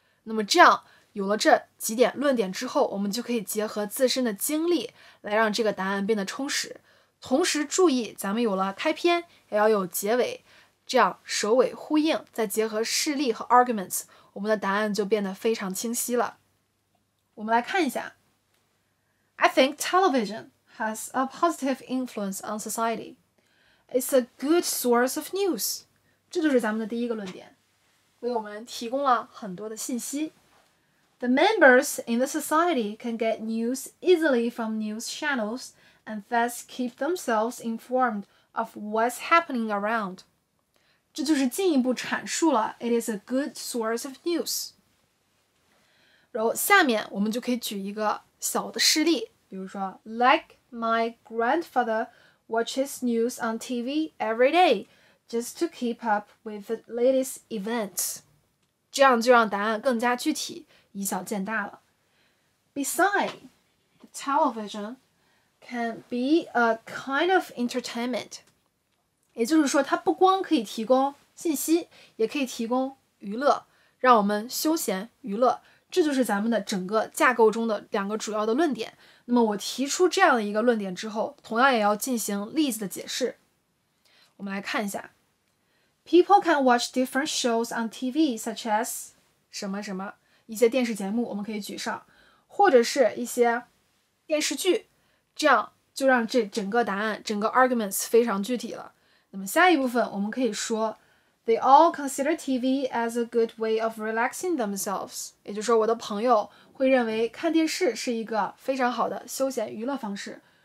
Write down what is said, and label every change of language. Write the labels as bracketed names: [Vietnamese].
[Chinese] 那么这样有了这几点论点之后，我们就可以结合自身的经历来让这个答案变得充实。同时注意，咱们有了开篇也要有结尾，这样首尾呼应，再结合事例和 arguments， 我们的答案就变得非常清晰了。我们来看一下。 [English] I think television has a positive influence on society. It's a good source of news. [Chinese] 这就是咱们的第一个论点，为我们提供了很多的信息。 [English] The members in the society can get news easily from news channels and thus keep themselves informed of what's happening around. [Chinese] 这就是进一步阐述了 [English] it is a good source of news. [Chinese] 然后下面我们就可以举一个小的事例，比如说 [English] like my grandfather watches news on TV every day just to keep up with the latest events. [Chinese] 这样就让答案更加具体，以小见大了。 [English] Besides, the television can be a kind of entertainment. [Chinese] 也就是说，它不光可以提供信息，也可以提供娱乐，让我们休闲娱乐。这就是咱们的整个架构中的两个主要的论点。那么我提出这样的一个论点之后，同样也要进行例子的解释。我们来看一下。 [English] People can watch different shows on TV such as [Chinese] 什么什么。一些电视节目我们可以举上，或者是一些电视剧，这样就让这整个答案，整个 arguments 非常具体了。那么下一部分我们可以说 [English] They all consider TV as a good way of relaxing themselves， [Chinese] 也就是说我的朋友会认为看电视是一个非常好的休闲娱乐方式。